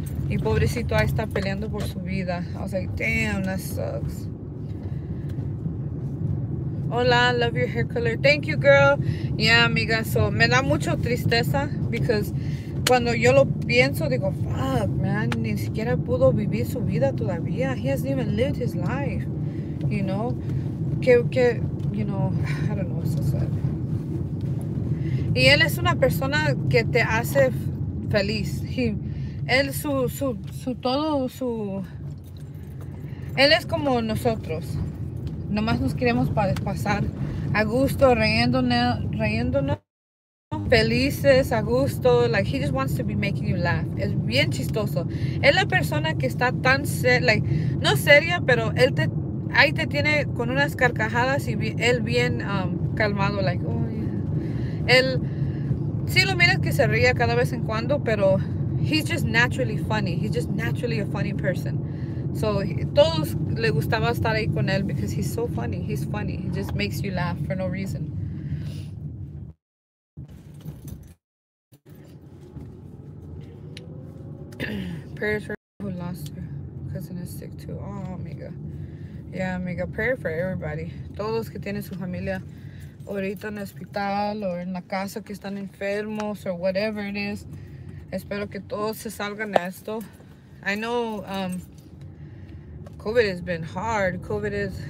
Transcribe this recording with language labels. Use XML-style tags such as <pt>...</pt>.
<es>Y pobrecito ahí está peleando por su vida.</es> <en>I was like, damn, that sucks. Hola, love your hair color. Thank you, girl. Yeah, amiga. So,</en> <es>me da mucho tristeza.</es> <en>Because</en> <es>cuando yo lo pienso, digo,</es> <en>fuck, man,</en> <es>ni siquiera pudo vivir su vida todavía.</es> <en>He hasn't even lived his life, you know? Que, you know, I don't know, so sad.</en> <es>Y él es una persona que te hace feliz. Él, su todo, su... Él es como nosotros. Nomás nos queremos pasar a gusto, riéndonos. Felices, a gusto,</es> <en>like he just wants to be making you laugh.</en> <es>Es bien chistoso. Es la persona que está tan seria, like, no seria, pero él te, ahí te tiene con unas carcajadas y él bien calmado,</es> <en>like, oh yeah.</en> <es>Él, sí lo miras que se ría cada vez en cuando, pero</es> <en>he's just naturally funny. He's just naturally a funny person. So,</en> <es>todos le gustaba estar ahí con él</es> <en>because he's so funny. He's funny. He just makes you laugh for no reason. Prayers for who lost her cousin is sick too. Oh, amiga. Yeah, amiga. Prayer for everybody.</en> <es>Todos que tienen su familia ahorita en el hospital o en la casa que están enfermos</es> <en>or whatever it is.</en> <es>Espero que todos se salgan de esto.</es> <en>I know COVID has been hard. COVID is...</en>